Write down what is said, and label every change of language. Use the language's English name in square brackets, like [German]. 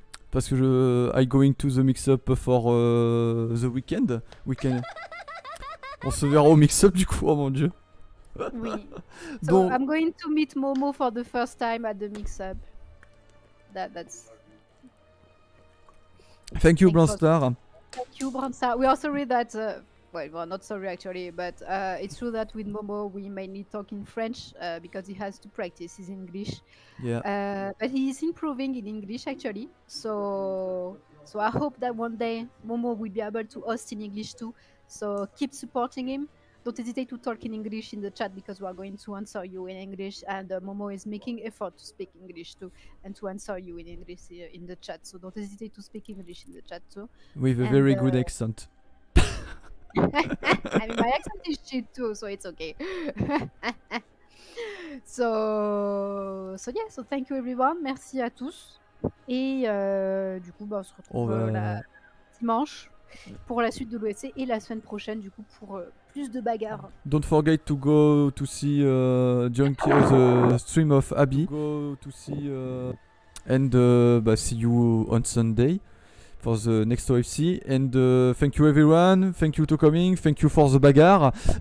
[English] Parce que I going to the mix-up for the weekend. Weekend. [French] On se verra au mix-up du coup. Oh mon dieu. Oui. So bon. [English] I'm going to meet Momo for the first time at the mix-up. That's. Thank you, Brandstar. Thank you, Brandstar. We are sorry that. We're not sorry actually, but it's true that with Momo we mainly talk in French because he has to practice his English. Yeah. But he is improving in English actually. So I hope that one day Momo will be able to host in English too. So keep supporting him. Don't hesitate to talk in English in the chat because we are going to answer you in English, and Momo is making effort to speak English too and to answer you in English in the chat. So don't hesitate to speak English in the chat too. With a very good accent. mean, my accent is shit too, so it's okay. So thank you everyone, merci à tous. [French] Et du coup, on se retrouve dimanche pour la suite de l'OSC et la semaine prochaine, du coup, pour plus de bagarres. [English] Don't forget to go to see Junkie, the stream of Abby. Go to see and see you on Sunday for the next OFC. And thank you everyone, thank you to coming, thank you for the bagarre.